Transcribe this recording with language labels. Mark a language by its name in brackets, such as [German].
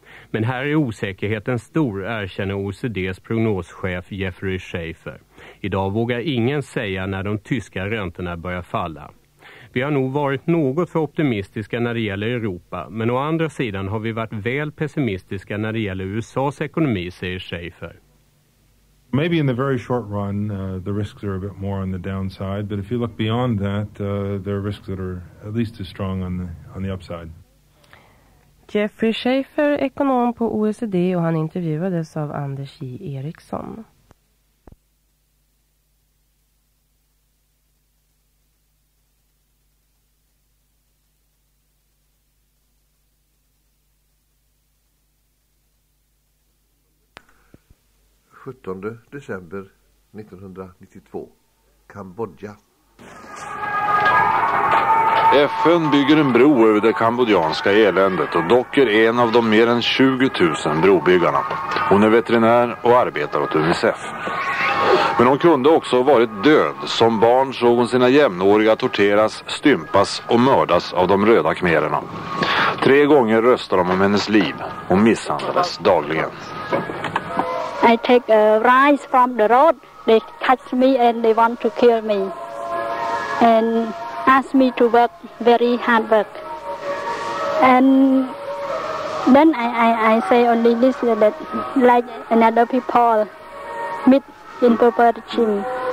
[Swedish] Men här är osäkerheten stor, erkänner OECDs prognoschef Jeffrey Schäfer. Idag vågar ingen säga när de tyska räntorna börjar falla. Vi har nog varit något för optimistiska när det gäller Europa, men å andra sidan har vi varit väl pessimistiska när det gäller USA:s ekonomi, säger Schäfer. [English] Maybe in the very short run, the risks are a bit more on the downside, but if you look beyond that, there are risks that are at least as strong on the upside. [Swedish] Jeffrey Schäfer, ekonom på OECD, och han intervjuades av Anders J. Eriksson. December 1992, Kambodja. FN bygger en bro över det kambodjanska eländet och docker en av de mer än 20 000 brobyggarna. Hon är veterinär och arbetar åt UNICEF. Men hon kunde också ha varit död. Som barn såg hon sina jämnåriga torteras, stympas och mördas av de röda khmererna. Tre gånger röstade de om hennes liv och misshandlades dagligen. [English] I take a rice from the road. They touch me and they want to kill me. And ask me to work very hard work. And then I say only this, that like another people meet in Purpurchin.